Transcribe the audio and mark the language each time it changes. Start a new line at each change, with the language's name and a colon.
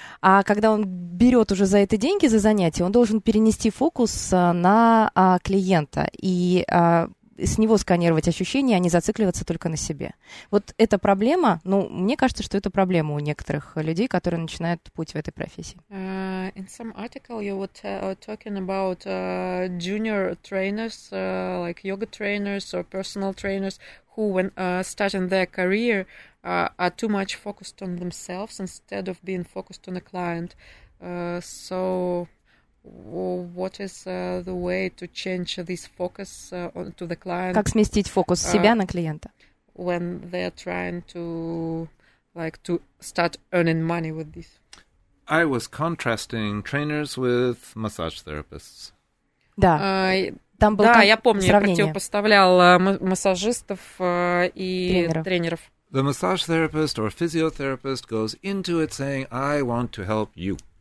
Russian: А когда он берет уже за это деньги, за занятия, он должен перенести фокус на клиента и с него сканировать ощущения, а не зацикливаться только на себе. Вот эта проблема, ну, мне кажется, что это проблема у некоторых людей, которые начинают путь в этой профессии.
English: In some article you were talking about junior trainers, like yoga trainers or personal trainers, who when starting their career are too much focused on themselves instead of being focused on a client. So what is the way to change this focus to the client?
Russian: Как сместить фокус себя на клиента?
English: When they're trying to, like, to start earning money with this. I was contrasting trainers with massage therapists.
Russian: Да. Там был сравнение. Да, я помню, сравнение. Я противопоставлял массажистов и тренеров.
English: The massage therapist or physiotherapist goes into it saying, "I want to help you."